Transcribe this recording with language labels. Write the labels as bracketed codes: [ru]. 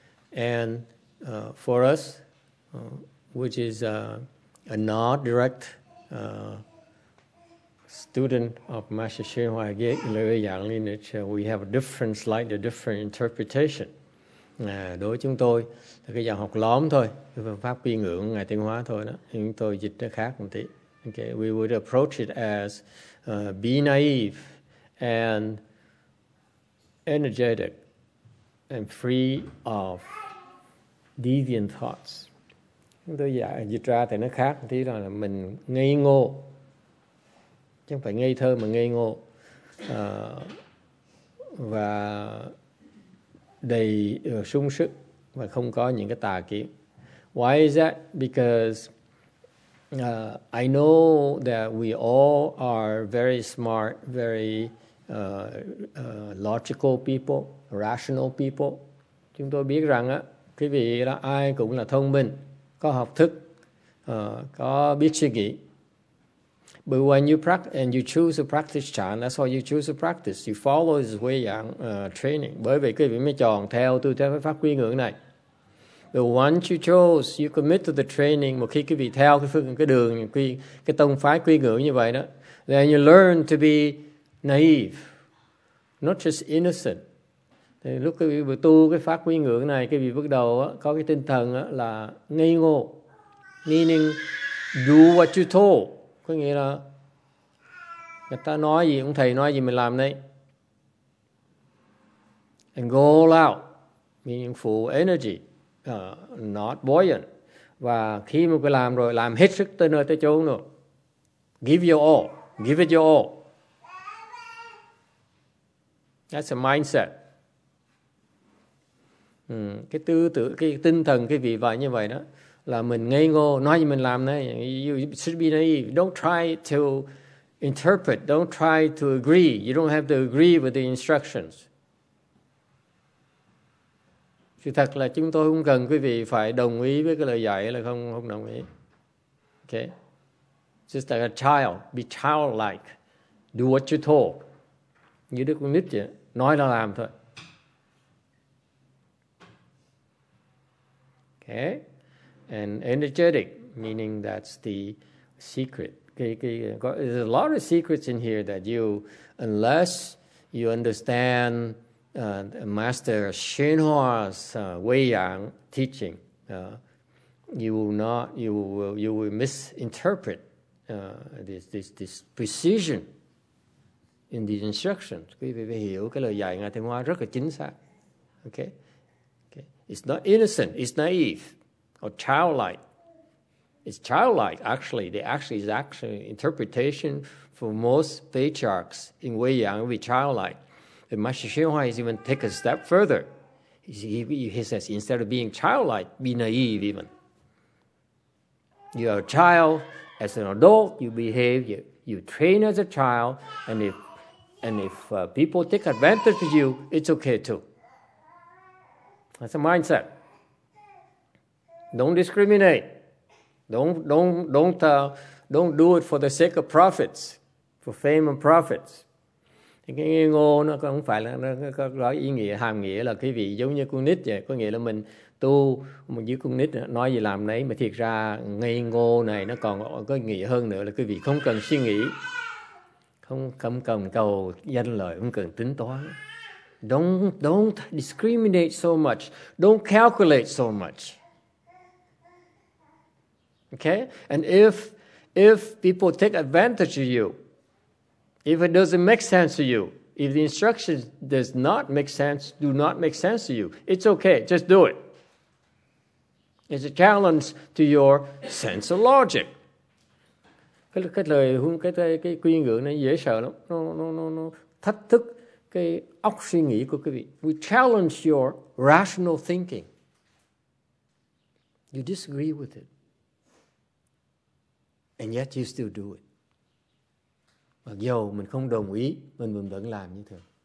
[en] And for us, which is a not direct student of Master Xuyên Hoa Lưu Giảng Lineage, we have a different, slightly different interpretation. [vi] Đối với chúng tôi, là cái dạng học lóm thôi, cái phương pháp quy ngưỡng Ngài Tiên Hóa thôi đó. Chúng tôi dịch nó khác một tí. [en] Okay, we would approach it as be naive and energetic and free of deviant thoughts. [vi] Tôi dịch ra thì nó khác một tí đó, là mình ngây ngô, chẳng phải ngây thơ mà ngây ngô, và đầy sung sức và không có những cái tà kiến. [en] Why is that? Because I know that we all are very smart, very logical people, rational people. [vi] Chúng tôi biết rằng á, quý vị là ai cũng là thông minh, có học thức, có biết suy nghĩ. [en] But when you practice and you choose to practice chan, that's why you choose to practice. You follow this way yang training. [vi] Bởi vì quý vị mới chọn theo tôi theo pháp quy ngưỡng này. [en] But once you chose, you commit to the training. [vi] Một khi quý vị theo cái đường cái tông phái quy ngưỡng như vậy đó, [en] then you learn to be naive, not just innocent. [vi] Thì lúc quý vị vừa tu cái pháp quy ngưỡng này, quý vị bắt đầu á, có cái tinh thần á, là ngây ngô, [en] meaning do what you told. [vi] Có nghĩa là người ta nói gì, ông thầy nói gì mình làm đấy. [en] And go all out, meaning full energy, not buoyant. [vi] Và khi mà người làm rồi, làm hết sức tới nơi tới chỗ luôn. [en] Give your all, give it your all. That's a mindset. [vi] Cái tư tưởng, cái tinh thần cái vị vậy như vậy đó. Là mình ngây ngô, nói gì mình làm đấy. [en] You should be naive. Don't try to interpret. Don't try to agree. You don't have to agree with the instructions. [vi] Thì thật là chúng tôi không cần quý vị phải đồng ý với cái lời dạy, là không đồng ý. [en] Okay. Just like a child. Be childlike. Do what you told. [vi] Như đứa con nít vậy. Nói là làm thôi. [en] Okay. And energetic, meaning that's the secret. There's a lot of secrets in here that you, unless you understand Master Xuyên Hoa's Wei Yang teaching, you will misinterpret this precision in these instructions. [vi] Quý vị phải hiểu cái lời dạy Ngài Tiên Hóa rất là chính xác. [en] Okay? Okay. It's not innocent. It's naive. Or childlike. It's childlike, actually. The actually is actually interpretation for most patriarchs in Wei Yang will be childlike. But Master Xuyên Hoa is even take a step further. He says, instead of being childlike, be naive even. You are a child. As an adult, you behave. You train as a child. And if people take advantage of you, it's okay too. That's a mindset. Don't discriminate. Don't do it for the sake of profits, for fame and profits. [vi] Thì cái nghe ngô nó không phải là nó có ý nghĩa hàm nghĩa là cái vị giống như con nít vậy, có nghĩa là mình tu một dưới con nít nói gì làm đấy, mà thiệt ra nghe ngô này nó còn có nghĩa hơn nữa là cái vị không cần suy nghĩ, không cần cầu danh lợi, không cần tính toán. [en] Don't discriminate so much. Don't calculate so much. Okay? And if people take advantage of you, if it doesn't make sense to you, if the instruction does not make sense, do not make sense to you, it's okay. Just do it. It's a challenge to your sense of logic. [vi] Cái lời hướng cái quy ngữ này dễ sợ lắm. Nó thách thức cái óc suy nghĩ của quý vị. [en] We challenge your rational thinking. You disagree with it. And yet you still do it. [vi] Mặc dù mình không đồng ý, mình vẫn làm như thường.